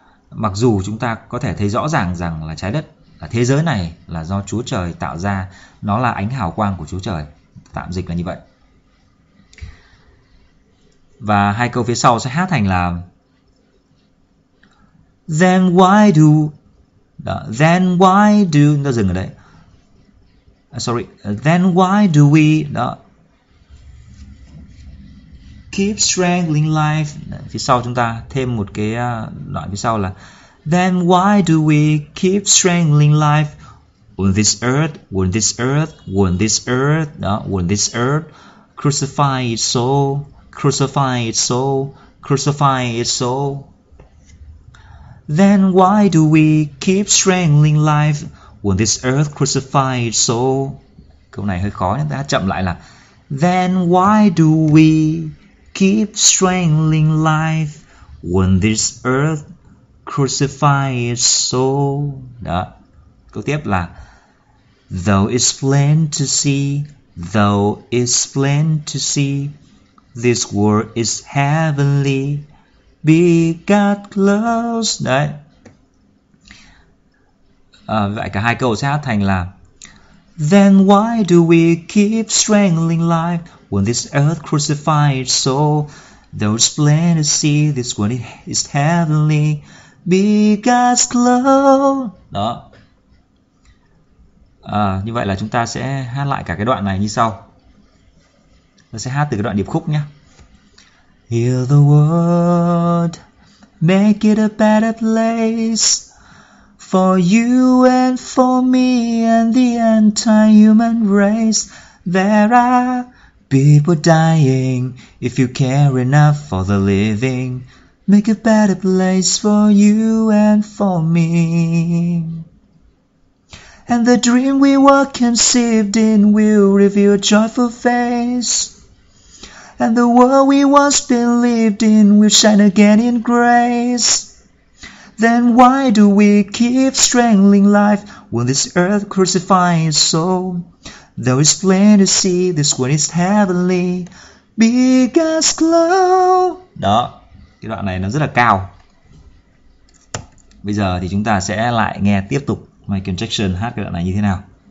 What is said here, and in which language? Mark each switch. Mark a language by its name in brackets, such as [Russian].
[Vietnamese] Mặc dù chúng ta có thể thấy rõ ràng rằng là trái đất, là thế giới này là do Chúa Trời tạo ra, nó là ánh hào quang của Chúa Trời. Tạm dịch là như vậy. Và hai câu phía sau sẽ hát thành là [English] Then why do [Vietnamese] đó, Then why do, nó dừng ở đấy. [English] Sorry, then why do we [Vietnamese] đó, [English] keep strangling life. [Vietnamese] Phía sau chúng ta thêm một cái đoạn phía sau là [English] Then why do we keep strangling life on this earth, on this earth, on this earth, đó, on this earth, crucify its soul, crucify its soul, crucify its soul. Then why do we keep strangling life on this earth, crucify its soul? [Vietnamese] Câu này hơi khó, chúng ta chậm lại là [English] Then why do we keep strangling life when this earth crucifies soul. [Vietnamese] Đó. Câu tiếp là [English] Though it's plain to see, though it's plain to see, this world is heavenly, be God close. [Vietnamese] Đấy. Vậy cả hai câu sẽ hát thành là [English] Then why do we keep strangling life when this earth crucified soul? Though it's plain to see, this world is heavenly, be God's glow. [Vietnamese] Đó. Như vậy là chúng ta sẽ hát lại cả cái đoạn này như sau. Ta sẽ hát từ cái đoạn điệp khúc nhé. [English] Heal the world, make it a better place. For you and for me and the entire human race, there are people dying. If you care enough for the living, make a better place for you and for me. And the dream we were conceived in will reveal a joyful face. And the world we once believed in will shine again in grace. Then why do we keep strangling life when this earth crucifies soul? Though it's plain to see, this world is heavenly, be God's glow. [Vietnamese] Đó, cái đoạn này nó rất là cao. Bây giờ thì chúng ta sẽ lại nghe tiếp tục Michael Jackson hát cái đoạn này như thế nào.